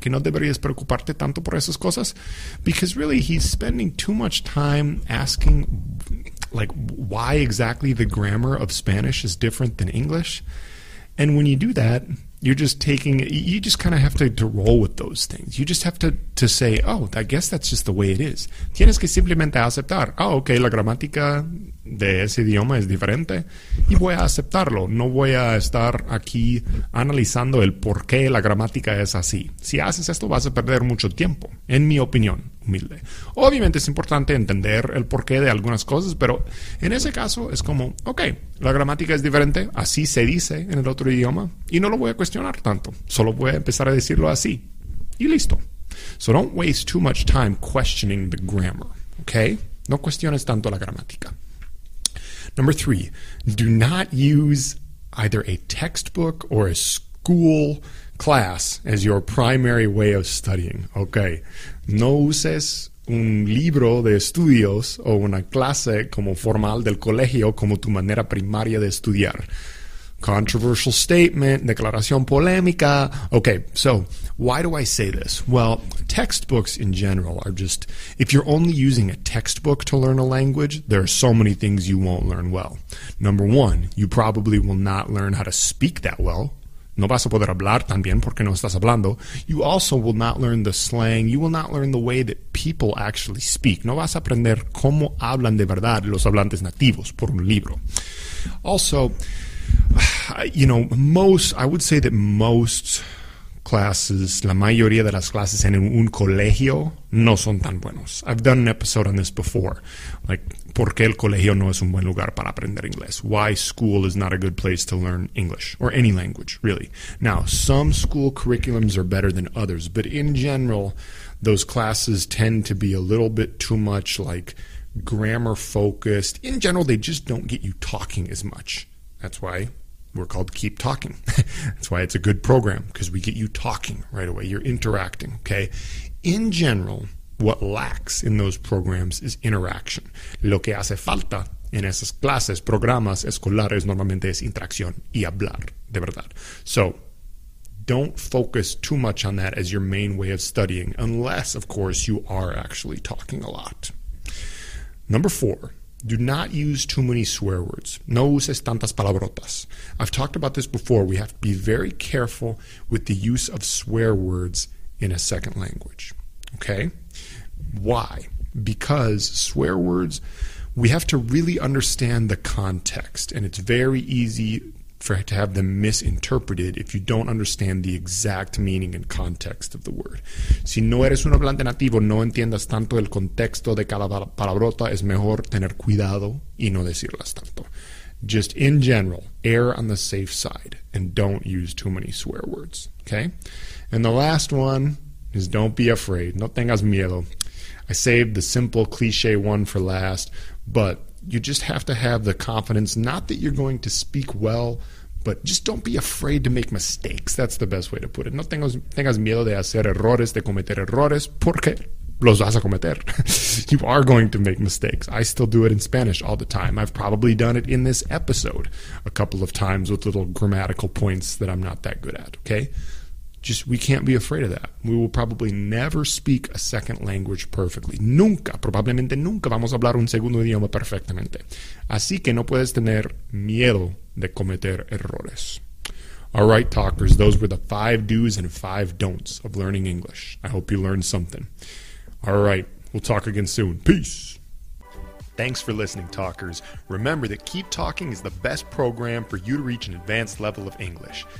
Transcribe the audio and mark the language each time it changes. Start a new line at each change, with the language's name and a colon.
Spanish: Que no deberías preocuparte tanto por esas cosas?
English: Because really, he's spending too much time asking, like, why exactly the grammar of Spanish is different than English. And when you do that, you just kind of have to roll with those things. You just have to say, oh, I guess that's just the way it is. Tienes que simplemente aceptar. Oh, okay, la gramática de ese idioma es diferente. Y voy a aceptarlo. No voy a estar aquí analizando el por qué la gramática es así. Si haces esto, vas a perder mucho tiempo, en mi opinión, humilde. Obviamente es importante entender el porqué de algunas cosas, pero en ese caso es como, okay, la gramática es diferente, así se dice en el otro idioma, y no lo voy a cuestionar tanto. Solo voy a empezar a decirlo así. Y listo. So don't waste too much time questioning the grammar, okay?
Spanish: No cuestiones tanto la gramática.
English: Number 3, do not use either a textbook or a school class as your primary way of studying. Okay,
Spanish: no uses un libro de estudios o una clase como formal del colegio como tu manera primaria de estudiar.
English: Controversial statement,
Spanish: declaración polémica.
English: Okay, so why do I say this? Well, textbooks in general are just, if you're only using a textbook to learn a language, there are so many things you won't learn well. Number one, you probably will not learn how to speak that well.
Spanish: No vas a poder hablar tan bien porque no estás hablando.
English: You also will not learn the slang. You will not learn the way that people actually speak.
Spanish: No vas a aprender cómo hablan de verdad los hablantes nativos por un libro.
English: Also, you know, I would say that most classes,
Spanish: la mayoría de las clases en un colegio no son tan buenos.
English: I've done an episode on this before, like,
Spanish: ¿por qué el colegio no es un buen lugar para aprender inglés?
English: Why school is not a good place to learn English, or any language, really. Now, some school curriculums are better than others, but in general, those classes tend to be a little bit too much, like, grammar-focused. In general, they just don't get you talking as much. That's why we're called Keep Talking. That's why it's a good program, because we get you talking right away. You're interacting, okay? In general, what lacks in those programs is interaction.
Spanish: Lo que hace falta en esas clases, programas escolares, normalmente es interacción y hablar, de verdad.
English: So, don't focus too much on that as your main way of studying, unless, of course, you are actually talking a lot. Number four. Do not use too many swear words.
Spanish: No uses tantas palabrotas.
English: I've talked about this before. We have to be very careful with the use of swear words in a second language. Okay? Why? Because swear words, we have to really understand the context, and it's very easy to have them misinterpreted if you don't understand the exact meaning and context of the word.
Spanish: Si no eres un hablante nativo, no entiendas tanto el contexto de cada palabrota, es mejor tener cuidado y no decirlas tanto.
English: Just in general, err on the safe side and don't use too many swear words, okay? And the last one is don't be afraid.
Spanish: No tengas miedo.
English: I saved the simple cliche one for last, but you just have to have the confidence, not that you're going to speak well, but just don't be afraid to make mistakes. That's the best way to put it.
Spanish: No tengas miedo de hacer errores, de cometer errores, porque los vas a cometer.
English: You are going to make mistakes. I still do it in Spanish all the time. I've probably done it in this episode a couple of times with little grammatical points that I'm not that good at, okay? Just, we can't be afraid of that. We will probably never speak a second language perfectly.
Spanish: Nunca, probablemente nunca vamos a hablar un segundo idioma perfectamente. Así que no puedes tener miedo de cometer errores.
English: All right, talkers, those were the 5 do's and 5 don'ts of learning English. I hope you learned something. All right, we'll talk again soon. Peace. Thanks for listening, talkers. Remember that Keep Talking is the best program for you to reach an advanced level of English.